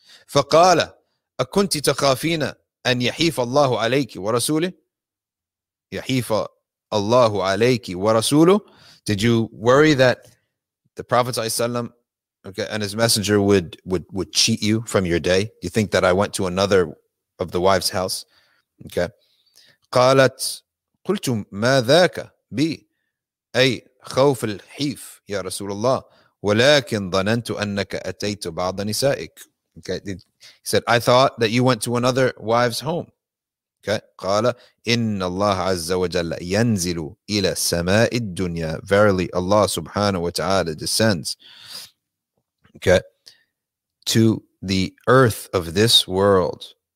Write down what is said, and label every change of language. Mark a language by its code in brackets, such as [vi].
[ar] فَقَالَ أَكُنْتِ تَخَافِينَ أَنْ يَحِيفَ اللَّهُ عَلَيْكِ وَرَسُولِهِ, يَحِيفَ اللَّهُ عَلَيْكِ وَرَسُولُهِ, [en] did you worry that the Prophet ﷺ, okay, and his messenger would cheat you from your day? You think that I went to another of the wife's house? Okay. [ar] قالت قلت ما ذاك بي أي خوف الحيف يا رسول الله ولكن ظننت أنك أتيت بعض نسائك. [en] Okay. He said, I thought that you went to another wife's home. Okay. [ar] قال إن الله عز وجل ينزل إلى سماء الدنيا, [en] verily Allah subhanahu wa ta'ala descends, okay, to the earth of this world.